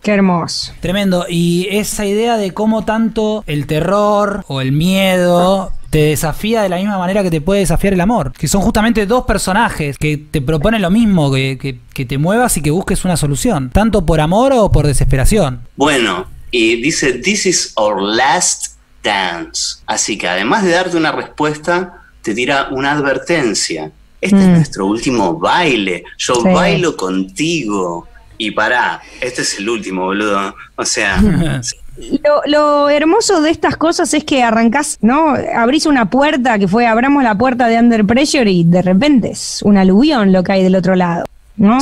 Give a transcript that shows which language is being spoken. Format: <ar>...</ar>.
<es>Qué hermoso. Tremendo. Y esa idea de cómo tanto el terror o el miedo te desafía de la misma manera que te puede desafiar el amor. Que son justamente dos personajes que te proponen lo mismo, que te muevas y que busques una solución. Tanto por amor o por desesperación. Bueno, y dice,</es> <en>this is our last dance.</en> <es>Así que además de darte una respuesta, te tira una advertencia. Este es nuestro último baile. Yo sí bailo contigo. Y pará, este es el último, boludo. O sea... Lo hermoso de estas cosas es que arrancás, ¿no? Abrís una puerta que fue, abramos la puerta de Under Pressure y de repente es un aluvión lo que hay del otro lado, ¿no?</es>